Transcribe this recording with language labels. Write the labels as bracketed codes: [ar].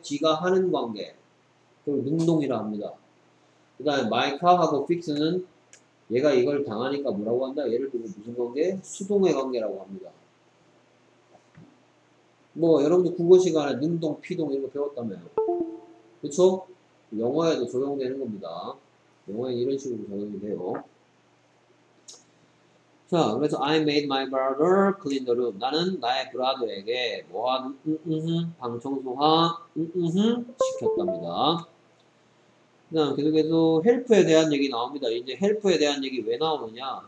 [ko] 지가 하는 관계. 그걸 능동이라 합니다. 그 다음에 my car하고 fix는 얘가 이걸 당하니까 뭐라고 한다? 예를 들면 무슨 관계? 수동의 관계라고 합니다. 뭐 여러분들 국어 시간에 능동, 피동 이런 거 배웠다면 그쵸? 영어에도 적용되는 겁니다. 영어에 이런 식으로 적용이 돼요. 자, 그래서 [en] I made my brother clean the room. [ko] 나는 나의 브라더에게 뭐한 방 청소하 시켰답니다. 그다음 계속해서 헬프에 대한 얘기 나옵니다. 이제 헬프에 대한 얘기 왜 나오느냐?